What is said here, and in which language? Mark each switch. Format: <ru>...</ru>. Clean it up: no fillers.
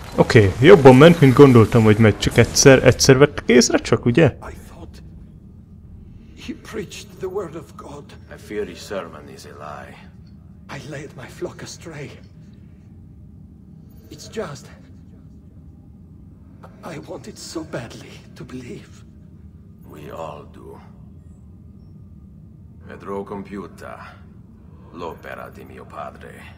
<hu>Oké, jobban ment, mint gondoltam, hogy megy, csak egyszer vettek észre csak, ugye?</hu> <en>He preached the word of God. I fear his sermon is a lie. I led my flock astray. It's just... I wanted so badly to believe. We all do.</en> <it>Vedrò compiuta l'opera di mio padre.</it>